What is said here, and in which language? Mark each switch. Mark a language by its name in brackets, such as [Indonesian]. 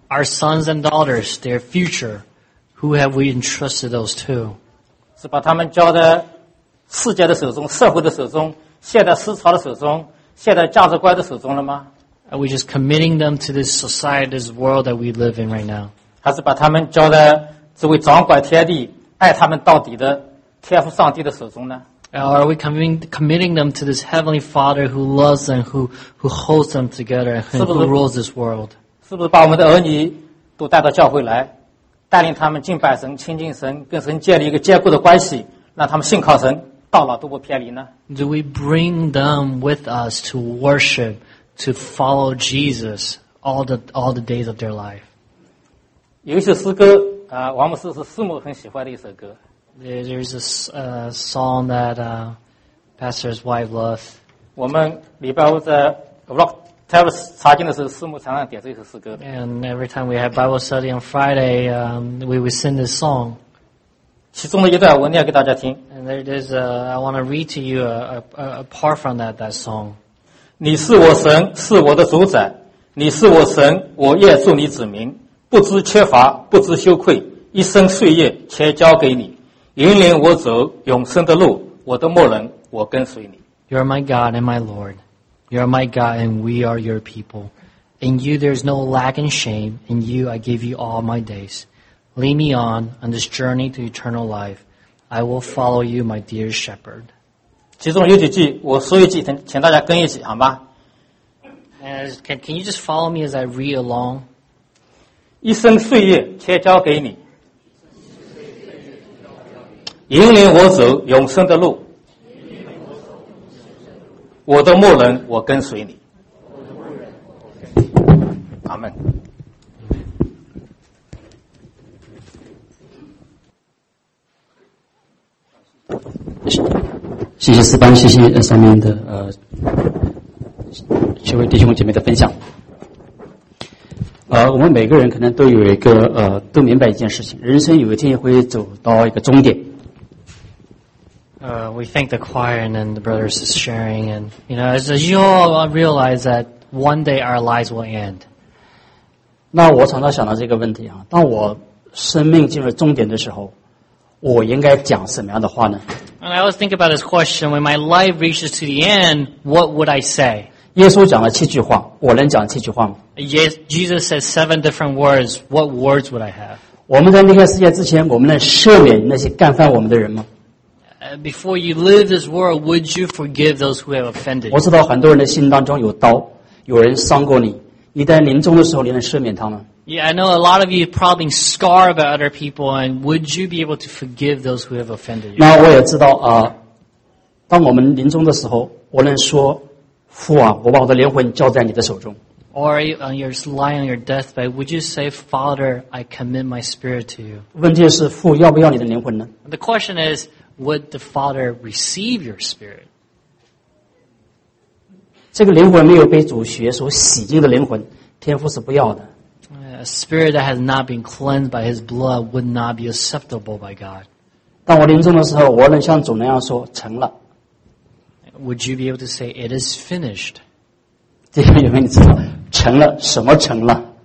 [English] Our sons and daughters, their future, who have we entrusted those to? [Chinese] 是把他们交在世界的手中, 社会的手中, 现代思潮的手中, 现代价值观的手中了吗? [English] Are we just committing them to this society, this world that we live in right now? [Chinese] 还是把他们交在这位掌管天地, 爱他们到底的天父上帝的手中呢? [English] Or are we committing them to this Heavenly Father who loves them, who holds them together, and who rules this world? [Chinese] 是不是把我们的儿女都带到教会来, 带领他们敬拜神, 亲近神, 跟神建立一个坚固的关系, 让他们信靠神, 到老都不偏离呢? [English] Do we bring them with us to worship, to follow Jesus all the days of their life? [Chinese] 有一首诗歌, 王牧师是师母很喜欢的一首歌, [English] There's a song that pastor's wife loved. [Chinese] 我们礼拜五在Rock Terrace查经的时候，师母常常点这首诗歌。 [English] And every time we have Bible study on Friday, we would sing this song. [Chinese] 其中的一段我念给大家听。 [English] And there it is, I want to read to you a part from that song. [Chinese] 你是我神，是我的主宰，你是我神，我愿做你子民，不知缺乏，不知羞愧，一生岁月全交给你。引领我走永生的路,我的牧人,我跟随你。 [English] You are my God and my Lord. You are my God and we are your people. In you there is no lack and shame. In you I give you all my days. Lead me on this journey to eternal life. I will follow you, my dear shepherd. [Chinese] 其中有几句,我说一句,请大家跟一起,好吗? [English] Can you just follow me as I read along? [Chinese] 一生岁月,全交给你。引领我走永生的路, 我的牧人, 我跟随你。 [English] Amen. Thank you, Sibang. We thank the choir and then the brothers is sharing. And, you know, as you all realize that one day our lives will end. [Chinese] 那我常常想到这个问题啊, 当我生命进入终点的时候, 我应该讲什么样的话呢? [English] And I always think about this question, when my life reaches to the end, what would I say? [Chinese] 耶稣讲了七句话, 我能讲七句话吗? [English] Jesus said 7 different words, what words would I have? [Chinese] 我们在离开世界之前, 我们能赦免那些干犯我们的人吗? [English] Before you leave this world, would you forgive those who have offended you? [Chinese] 我知道很多人的心当中有刀, 有人伤过你, 一旦临终的时候你能赦免他们? [English] Yeah, I know a lot of you probably scarred by other people, and would you be able to forgive those who have offended you? [Chinese] 那我也知道, 当我们临终的时候, 我能说, 父啊, 我把我的灵魂交在你的手中。 [English] Or you're lying on your deathbed, would you say, Father, I commit my spirit to you? [Chinese] 问题是, 父要不要你的灵魂呢? [English] The question is, would the Father receive your spirit? [Chinese] 这个灵魂没有被主血所洗净的灵魂, 天父是不要的。 [English] A spirit that has not been cleansed by His blood would not be acceptable by God. [Chinese] 当我临终的时候, 我能像主那样说, 成了。 [English] Would you be able to say, it is finished? [Chinese] 这个有没有你知道, 成了, 什么成了?